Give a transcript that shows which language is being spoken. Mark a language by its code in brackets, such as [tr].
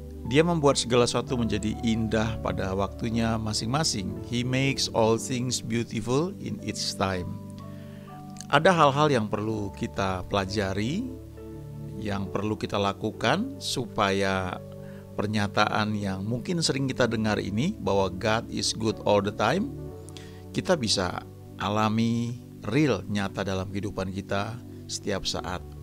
[id] Dia membuat segala sesuatu menjadi indah pada waktunya masing-masing. [en] He makes all things beautiful in its time. [id] Ada hal-hal yang perlu kita pelajari, yang perlu kita lakukan supaya pernyataan yang mungkin sering kita dengar ini, bahwa [en] God is good all the time, [id] kita bisa alami real, nyata dalam kehidupan kita setiap saat.